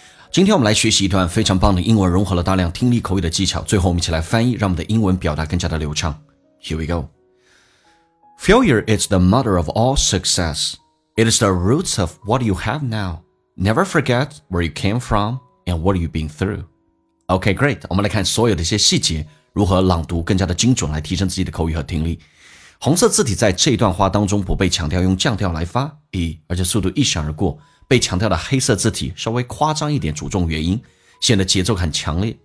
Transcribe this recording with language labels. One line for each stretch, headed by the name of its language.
Chinese: 今天我们来学习一段非常棒的英文，融合了大量听力口语的技巧，最后我们一起来翻译，让我们的英文表达更加的流畅。
English: Here we go。 Failure is the mother of all success. It is the roots of what you have now. Never forget where you came from and what you've been through. OK, great，
Chinese: 我们来看所有的一些细节，如何朗读更加的精准，来提升自己的口语和听力。红色字体在这段话当中不被强调，用降调来发，而且速度一闪而过，被强调的黑色字体稍微夸张一点，主重元音，显得节奏很强烈。